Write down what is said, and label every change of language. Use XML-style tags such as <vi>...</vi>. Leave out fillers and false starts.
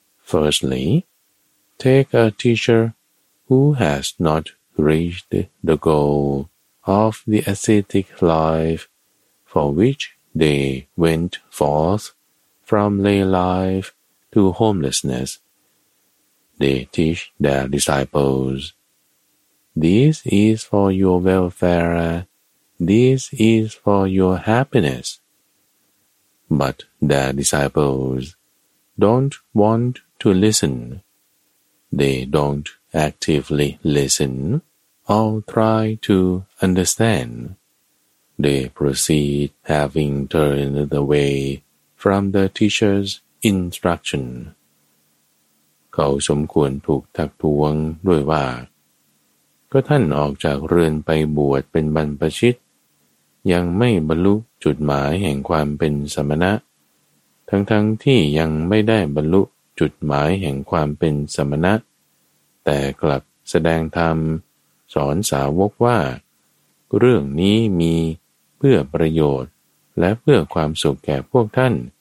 <en>Firstly, take a teacher who has not reached the goal of the ascetic life for which they went forth from lay life to homelessnessThey teach their disciples. This is for your welfare. This is for your happiness. But their disciples don't want to listen. They don't actively listen or try to understand. They proceed having turned away from the teacher's instruction.</en> <th>เขาสมควรถูกทักท้วงด้วยว่าก็ท่านออกจากเรือนไปบวชเป็นบรรพชิตยังไม่บรรลุจุดหมายแห่งความเป็นสมณะทั้งที่ยังไม่ได้บรรลุจุดหมายแห่งความเป็นสมณะแต่กลับแสดงธรรมสอนสาวกว่าเรื่องนี้มีเพื่อประโยชน์และเพื่อความสุขแก่พวกท่าน</th>